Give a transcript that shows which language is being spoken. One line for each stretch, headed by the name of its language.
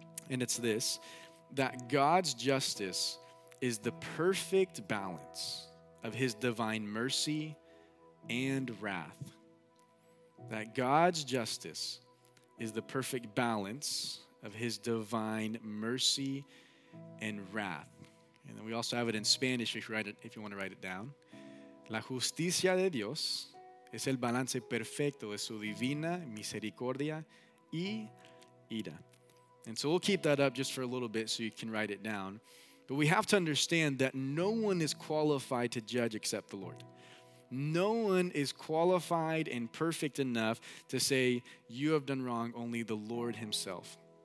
English: And it's this, that God's justice is the perfect balance of his divine mercy and wrath. That God's justice is the perfect balance of his divine mercy and wrath. And then we also have it in Spanish if you want to write it down.
Spanish: La justicia de Dios es el balance perfecto de su divina misericordia y ira.
English: And so we'll keep that up just for a little bit so you can write it down. But we have to understand that no one is qualified to judge except the Lord. No one is qualified and perfect enough to say, you have done wrong, only the Lord himself.